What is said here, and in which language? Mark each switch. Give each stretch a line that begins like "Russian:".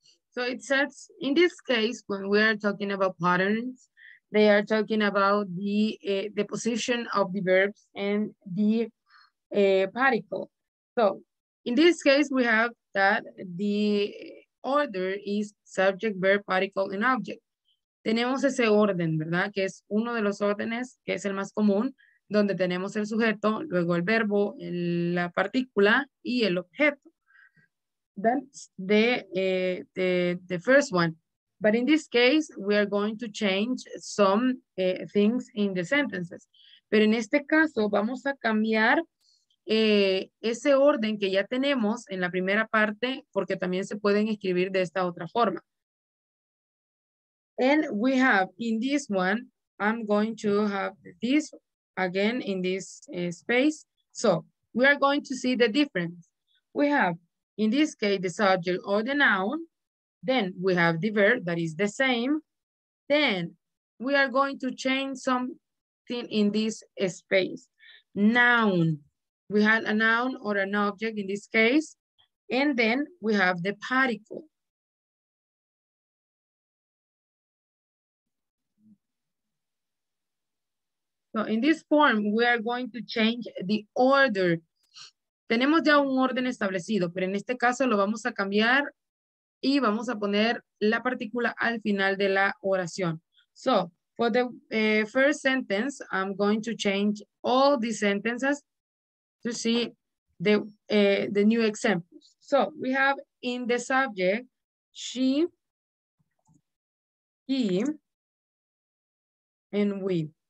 English: So it says, in this case, when we are talking about patterns, they are talking about the position of the verbs and the particle. So in this case, we have that the order is subject, verb, particle, and object.
Spanish: Tenemos ese orden, ¿verdad? Que es uno de los órdenes, que es el más común, donde tenemos el sujeto, luego el verbo, la partícula y el objeto.
English: That's the first one. But in this case, we are going to change some things in the sentences.
Spanish: Pero en este caso, vamos a cambiar ese orden que ya tenemos en la primera parte, porque también se pueden escribir de esta otra forma.
English: And we have in this one, I'm going to have this again in this space. So we are going to see the difference. We have, in this case, the subject or the noun. Then we have the verb that is the same. Then we are going to change something in this space. Noun. We have a noun or an object in this case. And then we have the particle. So in this form, we are going to change the order.
Spanish: Tenemos ya un orden establecido, pero en este caso lo vamos a cambiar y vamos a poner la partícula al final de la oración.
English: So, for the first sentence, I'm going to change all the sentences to see the new examples. So, we have in the subject, she, he, and we.